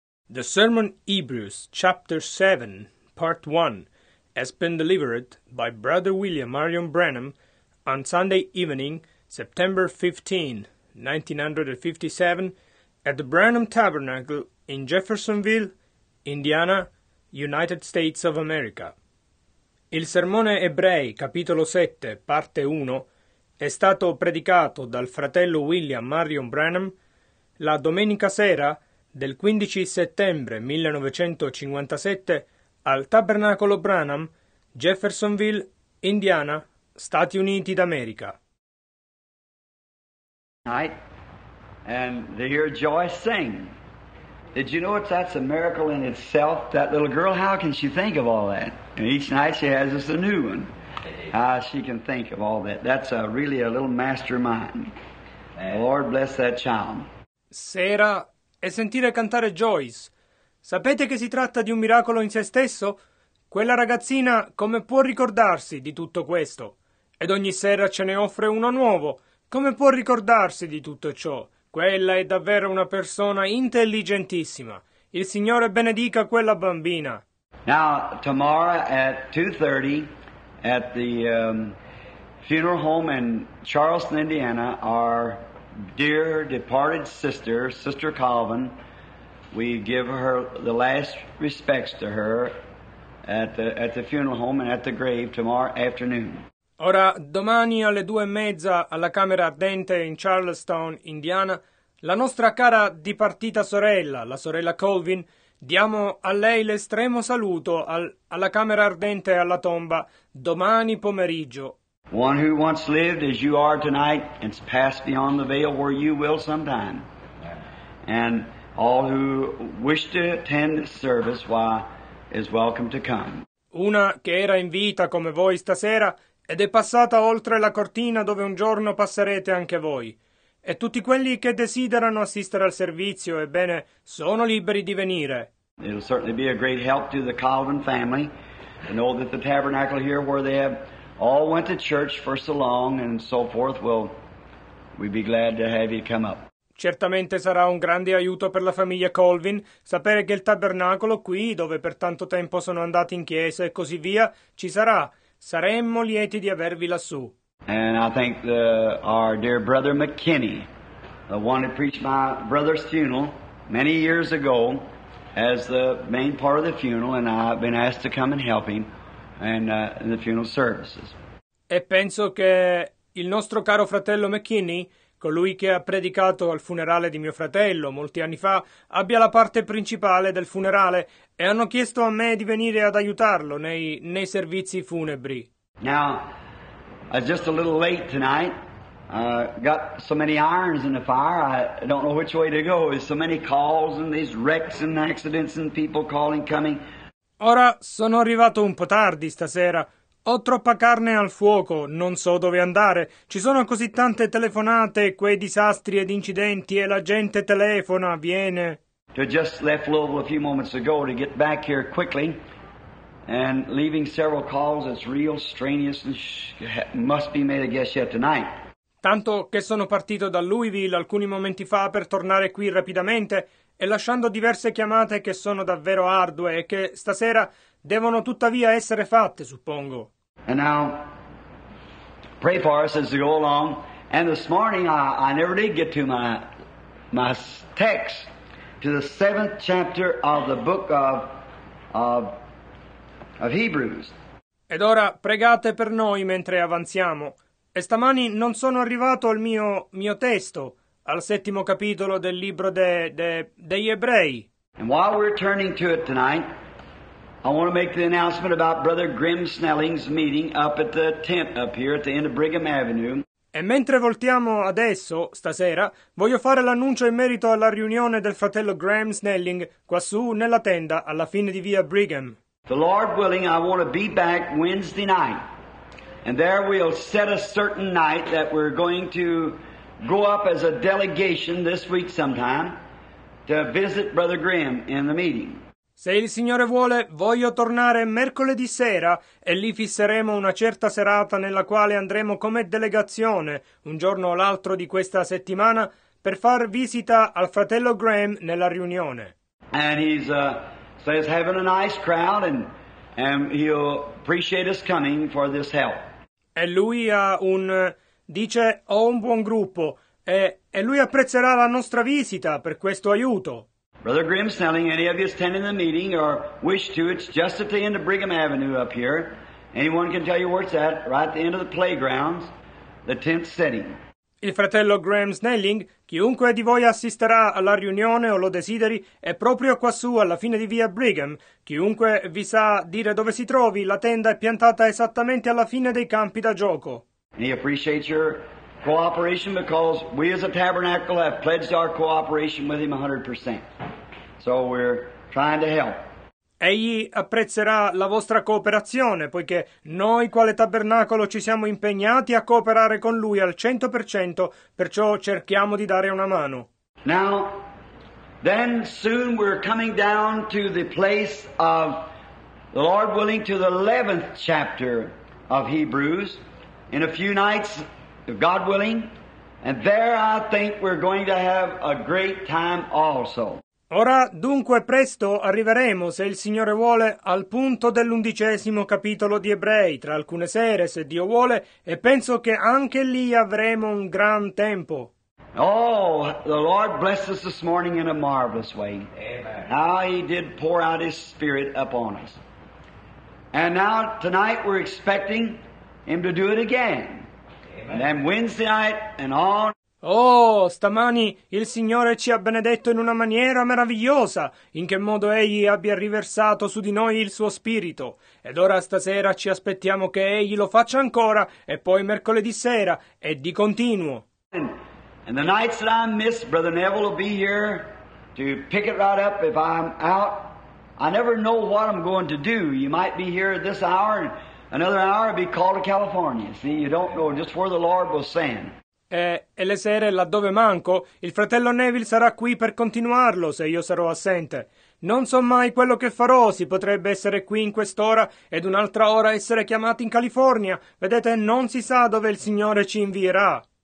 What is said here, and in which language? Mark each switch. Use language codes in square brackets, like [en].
[en] The sermon Hebrews, chapter 7, part 1, has been delivered by Brother William Marion Branham on Sunday evening, September 15, 1957, at the Branham Tabernacle in Jeffersonville, Indiana, United States of America. [it] Il sermone Ebrei, capitolo 7, parte 1, è stato predicato dal fratello William Marion Branham la domenica sera del 15 settembre 1957 al Tabernacolo Branham, Jeffersonville, Indiana, Stati Uniti d'America. [en] Night, and they hear Joy sing. Did you know that's a miracle in itself? That little girl, how can she think of all that? And each night she has us a new one. How she can think of all that. That's really a little mastermind. The Lord bless that child. [it] Sera e sentire cantare Joyce. Sapete che si tratta di un miracolo in se stesso? Quella ragazzina come può ricordarsi di tutto questo? Ed ogni sera ce ne offre uno nuovo. Come può ricordarsi di tutto ciò? Quella è davvero una persona intelligentissima. Il Signore benedica quella bambina. [en] Now, tomorrow at 2:30 at the funeral home in Charleston, Indiana, our dear departed sister, Sister Calvin, we give her the last respects to her at the funeral home and at the grave tomorrow afternoon. [it] Ora, domani alle 2:30 alla Camera Ardente in Charleston, Indiana, la nostra cara dipartita sorella, la sorella Colvin, diamo a lei l'estremo saluto alla Camera Ardente alla tomba domani pomeriggio. [en] One who once lived as you are tonight and passed beyond the veil where you will sometime. And all who wish to attend this service, why, is welcome to come. [it] Una che era in vita come voi stasera ed è passata oltre la cortina dove un giorno passerete anche voi. E tutti quelli che desiderano assistere al servizio, ebbene, sono liberi di venire. [en] It'll certainly be a great help to the Calvin family to know that the tabernacle here where they have all went to church for so long and so forth, we'd be glad to have you come up. [it] Certamente sarà un grande aiuto per la famiglia Colvin sapere che il tabernacolo qui, dove per tanto tempo sono andati in chiesa e così via, ci sarà. Saremmo lieti di avervi lassù. [en] And I thank our dear brother McKinney, the one who preached my brother's funeral many years ago, as the main part of the funeral, and I've been asked to come and help him in the funeral services. [it] E penso che il nostro caro fratello McKinney, colui che ha predicato al funerale di mio fratello molti anni fa, abbia la parte principale del funerale e hanno chiesto a me di venire ad aiutarlo nei servizi funebri. [en] Now, I'm just a little late tonight. Got so many irons in the fire, I don't know which way to go. There's so many calls and these wrecks and accidents and people calling, coming. [it] Ora sono arrivato un po' tardi stasera. Ho troppa carne al fuoco, non so dove andare. Ci sono così tante telefonate, quei disastri ed incidenti e la gente telefona, viene. [en] I just left Louisville a few moments ago to get back here quickly. And leaving several calls, it's real strenuous and must be made, I guess, yet tonight. [it] Tanto che sono partito da Louisville alcuni momenti fa per tornare qui rapidamente e lasciando diverse chiamate che sono davvero ardue e che stasera devono tuttavia essere fatte, suppongo. [en] And now, pray for us as we go along. And this morning I never did get to my text, to the 7th chapter of the book of Hebrews. [it] Ed ora pregate per noi mentre avanziamo. E stamani non sono arrivato al mio testo, al 7° capitolo del libro degli Ebrei. [en] And while we're turning to it tonight, I want to make the announcement about Brother Grim Snelling's meeting up at the tent up here at the end of Brigham Avenue. [it] E mentre voltiamo adesso, stasera, voglio fare l'annuncio in merito alla riunione del fratello Graham Snelling quassù nella tenda alla fine di via Brigham. [en] The Lord willing, I want to be back Wednesday night. And there we'll set a certain night that we're going to go up as a delegation this week sometime to visit Brother Graham in the meeting. [it] Se il Signore vuole, voglio tornare mercoledì sera e lì fisseremo una certa serata nella quale andremo come delegazione, un giorno o l'altro di questa settimana, per far visita al fratello Graham nella riunione. [en] And he's says having a nice crowd, and he'll appreciate us coming for this help. [it] E lui ha un dice ho un buon gruppo e lui apprezzerà la nostra visita per questo aiuto. [en] Brother Grim Snelling, any of you attending the meeting or wish to, it's just at the end of Brigham Avenue up here. Anyone can tell you where it's at, right at the end of the playgrounds, the tenth setting. [it] Il fratello Graham Snelling, chiunque di voi assisterà alla riunione o lo desideri, è proprio quassù alla fine di via Brigham. Chiunque vi sa dire dove si trovi, la tenda è piantata esattamente alla fine dei campi da gioco. [en] And he appreciates your cooperation because we as a tabernacle have pledged our cooperation with him 100%. So we're trying to help. [it] Egli apprezzerà la vostra cooperazione, poiché noi, quale tabernacolo, ci siamo impegnati a cooperare con lui al 100%, perciò cerchiamo di dare una mano. [en] Now, then soon we're coming down to the place of, the Lord willing, to the 11th chapter of Hebrews, in a few nights, if God willing, and there I think we're going to have a great time also. [it] Ora dunque presto arriveremo, se il Signore vuole, al punto dell'undicesimo capitolo di Ebrei, tra alcune sere, se Dio vuole, e penso che anche lì avremo un gran tempo. [en] Oh, the Lord blessed us this morning in a marvelous way. Amen. How he did pour out his spirit upon us. And now tonight we're expecting him to do it again. Amen. And Wednesday night and on. [it] Oh, stamani il Signore ci ha benedetto in una maniera meravigliosa, in che modo Egli abbia riversato su di noi il suo Spirito. Ed ora stasera ci aspettiamo che Egli lo faccia ancora, e poi mercoledì sera, e di continuo. [en] And the nights that I miss, Brother Neville will be here to pick it right up if I'm out. I never know what I'm going to do. You might be here at this hour, and another hour I'll be called to California. See, you don't know just where the Lord will send. [it] E le sere laddove manco, il fratello Neville sarà qui per continuarlo se io sarò assente. Non so mai quello che farò, si potrebbe essere qui in quest'ora ed un'altra ora essere chiamati in California. Vedete, non si sa dove il Signore ci invierà.